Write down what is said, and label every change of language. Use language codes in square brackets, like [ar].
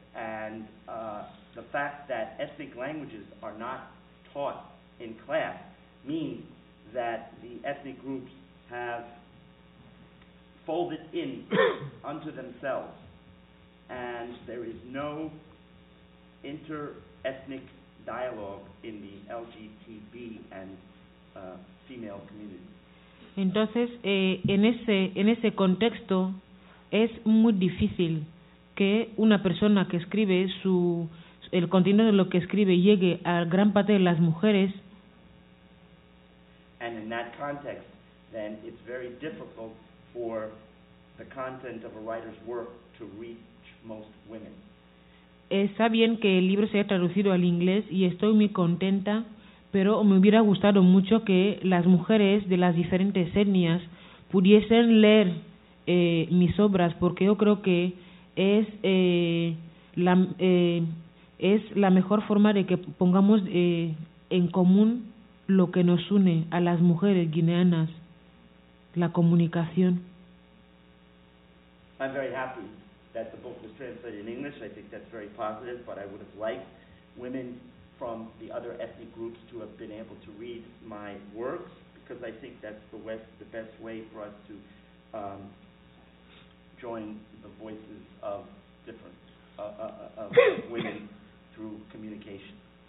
[en] And the fact that ethnic languages are not taught in class means that the ethnic groups have folded in unto themselves, and there is no inter-ethnic dialogue in the LGTB and female community. [es] Entonces, en ese contexto, es muy difícil que una persona que escribe el contenido de lo que escribe llegue a gran parte de las mujeres. [en] And in that context, then it's very difficult for the content of a writer's work to reach most women. [es] Está bien que el libro se haya traducido al inglés y estoy muy contenta, pero me hubiera gustado mucho que las mujeres de las diferentes etnias pudiesen leer mis obras, porque yo creo que es la mejor forma de que pongamos en común lo que nos une a las mujeres guineanas, la comunicación. [en] I'm very happy that the book was translated in English. I think that's very positive, but I would have liked women from the other ethnic groups to have been able to read my works, because I think that's the best way for us to join the voices of different of women through communication.